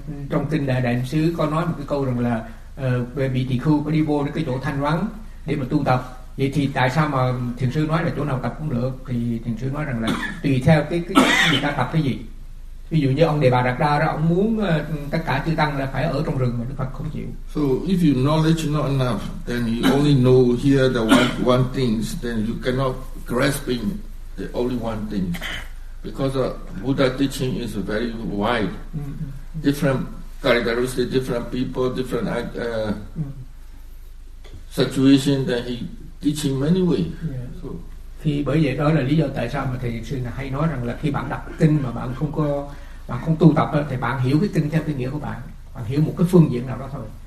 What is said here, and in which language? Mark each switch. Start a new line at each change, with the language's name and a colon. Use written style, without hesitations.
Vietnamese: Trong kinh đại đại sứ có nói một cái câu rằng là về vị tỳ khưu có đi vô cái chỗ thanh vắng để mà tu tập. Vậy thì tại sao mà thiền sư nói là chỗ nào tập cũng được? Thì thiền sư nói rằng là tùy theo cái người ta tập cái gì. Ví dụ như ông Đề Bà Đạt Đa đó, ông muốn tất cả chư tăng là phải ở trong rừng mà Đức Phật không chịu.
English: So if your knowledge not enough, then you only know here the one things, then you cannot grasping the only one thing. Because Buddha teaching is very wide. Different characteristics, different people, different situation, then he teaching many ways. Yeah.
Vietnamese: Thì bởi vậy đó là lý do tại sao mà thầy sư hay nói rằng là khi bạn đọc kinh mà bạn không tu tập thì bạn hiểu cái kinh theo cái nghĩa của bạn hiểu một cái phương diện nào đó thôi.